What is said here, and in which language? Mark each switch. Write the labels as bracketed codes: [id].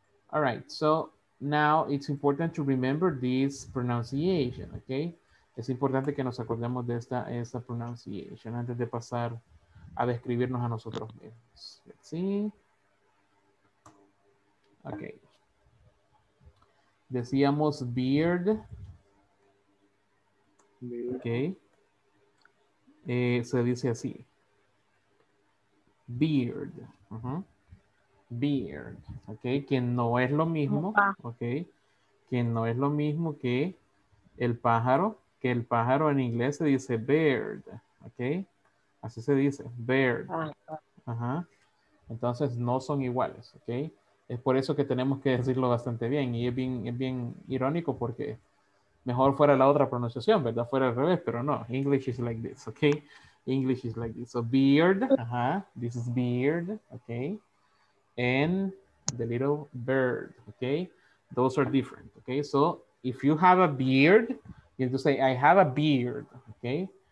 [en] All right, so now it's important to remember this pronunciation. Okay? [es] Es importante que nos acordemos de esta pronunciation antes de pasar a describirnos a nosotros mismos. [en] Let's see. [es] Okay. Decíamos beard. Ok. Se dice así. Beard. Beard. Ok. Que no es lo mismo. Ok. Que no es lo mismo que el pájaro. Que el pájaro en inglés se dice bird. Ok. Así se dice. Bird. Entonces no son iguales. Ok. Es por eso que tenemos que decirlo bastante bien. Y es bien irónico porque mejor fuera la otra pronunciación, ¿verdad? Fuera al revés, pero no. [en] English is like this, okay? English is like this. So beard, uh-huh. This is beard, okay? And the little bird, okay? Those are different, okay? So if you have a beard, you have to say, I have a beard, okay?